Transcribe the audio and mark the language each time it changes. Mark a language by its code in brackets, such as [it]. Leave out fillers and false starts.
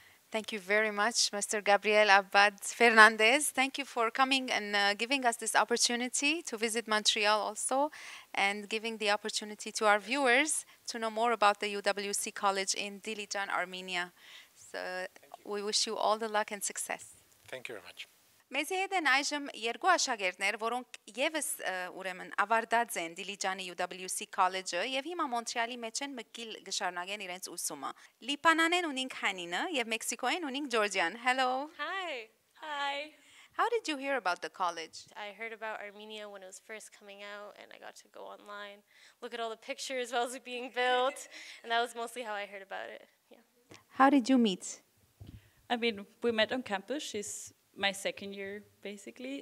[en] Thank you very much, Mr. Gabriel Abad Fernandez. Thank you for coming and giving us this opportunity to visit Montreal also and giving the opportunity to our viewers to know more about the UWC College in Tilijan, Armenia. So, we wish you all the luck and success. Thank you very much. [hy] Մեզ հետ են այժմ երկու աշակերտներ, որոնք եւս ուրեմն ավարտած են Դիլիջանի UWC College-ը եւ հիմա Մոնտրեալի մեջ են մկիլ գշարնագեն իրենց ուսումը։ Լիբանանեն ունին Քանինը եւ Մեքսիկոյեն ունին Ջորջիան։ [en] Hello. Hi. Hi. How did you hear about the college? I heard about Armenia when it was first coming out and I got to go online, look at all the pictures while it was being built, and that was mostly how I heard about it. Yeah. How did you meet? I mean, we met on campus. She's my second year, basically.